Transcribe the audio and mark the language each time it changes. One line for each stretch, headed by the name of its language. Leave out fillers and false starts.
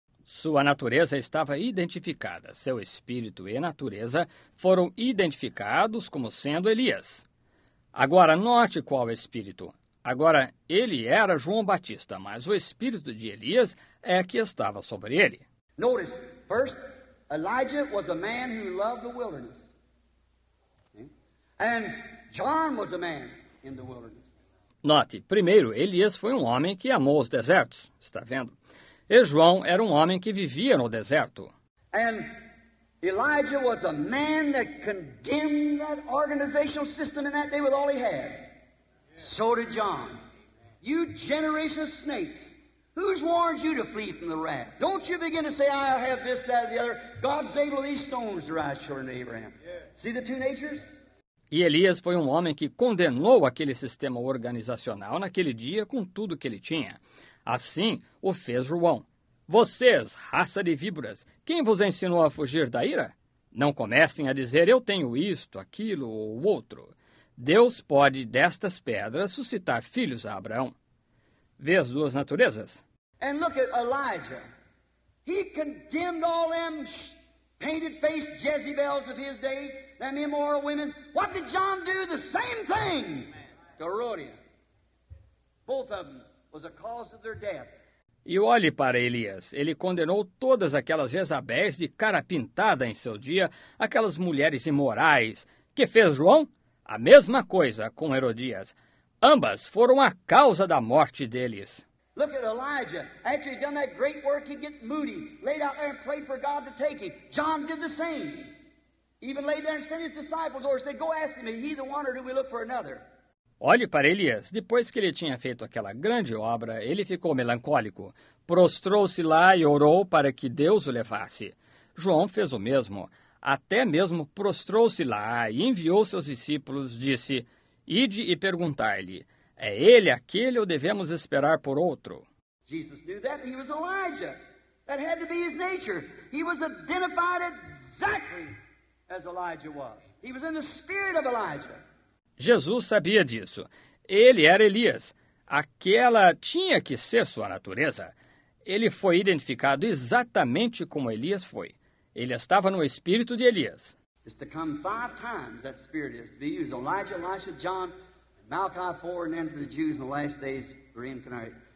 Portuguese: Sua natureza estava identificada, seu espírito e natureza foram identificados como sendo Elias. Agora, note qual espírito. Agora, ele era João Batista, mas o espírito de Elias é que estava sobre ele.
English: Notice, first, Elijah was a man who loved the wilderness. And John was a man in the wilderness.
Portuguese: Note, primeiro, Elias foi um homem que amou os desertos, está vendo? E João era um homem que vivia no deserto.
English: And Elijah was a man that condemned that organizational system in that day with all he had. So did John. You generation of snakes, who's warned you to flee from the wrath? Don't you begin to say, I have this, that, or the other. God's able these stones to rise children to Abraham. See the two natures?
Portuguese: E Elias foi um homem que condenou aquele sistema organizacional naquele dia com tudo que ele tinha. Assim o fez João. Vocês, raça de víboras, quem vos ensinou a fugir da ira? Não comecem a dizer, eu tenho isto, aquilo ou outro. Deus pode, destas pedras, suscitar filhos a Abraão. Vê as duas naturezas?
English: And look at Elijah. He condemned all them painted-faced Jezebels of his day, them immoral women. What did John do? The same thing. Herodia. Both of them. Was a cause of their death.
Portuguese: E olhe para Elias. Ele condenou todas aquelas Jezabéis de cara pintada em seu dia, aquelas mulheres imorais. Que fez João? A mesma coisa com Herodias. Ambas foram a causa da morte deles.
English: Look at Elijah. After he'd done that great work, he'd get moody, laid out there and prayed for God to take him. John did the same. Even laid there and sent his disciples over and said, go ask him, is he the one or do we look for another?
Portuguese: Olhe para Elias. Depois que ele tinha feito aquela grande obra, ele ficou melancólico. Prostrou-se lá e orou para que Deus o levasse. João fez o mesmo. Até mesmo prostrou-se lá e enviou seus discípulos, disse, ide e perguntar-lhe, é ele aquele ou devemos esperar por outro?
English: Jesus knew that he was Elijah. That had to be his nature. He was identified exactly as Elijah was. He was in the spirit of Elijah.
Portuguese: Jesus sabia disso. Ele era Elias. Aquela tinha que ser sua natureza. Ele foi identificado exatamente como Elias foi. Ele estava no espírito de Elias.
English: It's to come five times that spirit is to be used. Elijah, Elisha, John, Malachi 4, and then to the Jews in the last days, reincarnate.